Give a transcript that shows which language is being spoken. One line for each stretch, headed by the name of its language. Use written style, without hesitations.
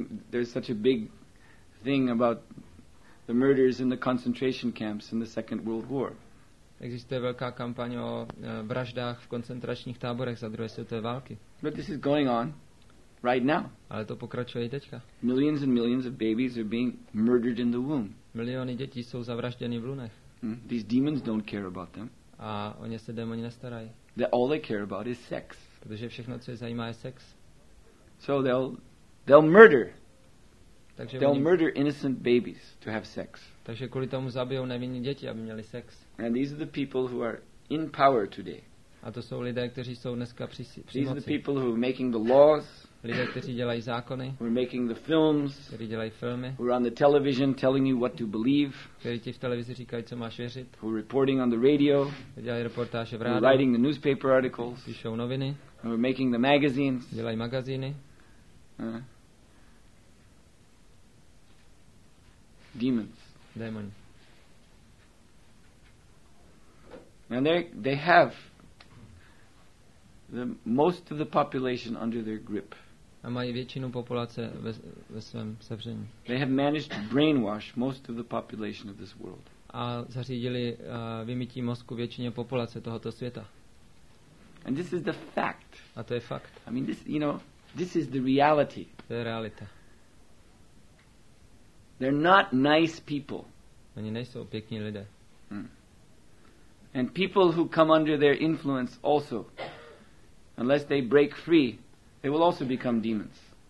English: There's such a big thing about the murders in the concentration camps in the Second World War.
Czech: Existuje velká kampaň o vraždách v koncentračních táborech za druhé světové války.
English: But this is going on right now.
Czech: Ale to pokračuje i teďka.
English: Millions and millions of babies are being murdered in the womb.
Czech: Miliony dětí jsou zavražděny v lůnech.
English: These demons don't care about them.
Czech: A o ně se démoni nestarají.
English: All they care about is sex.
Czech: Protože všechno, co je zajímá, je sex.
English: So they'll murder. Murder innocent babies to have sex.
Czech: Takže kvůli tomu zabijou nevinné děti, aby měli sex.
English: And these are the people who are in power today.
Czech: A to jsou lidé, kteří jsou dneska při moci.
English: These are the people who are making the laws.
Czech: Lidé, kteří dělají zákony.
English: Who are making the films.
Czech: Kteří dělají filmy.
English: Who are on the television telling you what to believe.
Czech: Kteří ti v televizi říkají, co máš věřit.
English: Who are reporting on the radio.
Czech: Dělají reportáže v rádiu.
English: Who are writing the newspaper articles.
Czech: Píšou noviny.
English: Who are making the magazines.
Czech: Dělají magazíny.
English: Demons.
Czech: Démoni.
English: And they have the most of the population under their grip.
Czech: A mají většinu populace ve svém sevření.
English: They have managed to brainwash most of the population of this world.
Czech: A zařídili vymytí mozku většině populace tohoto světa.
English: And this is the fact.
Czech: A to je fakt.
English: I mean this is the reality.
Czech: To je realita.
English: They're not nice people.
Czech: Oni nejsou pěkní lidé.
English: And people who come under their influence also, unless they break free, they will also become demons.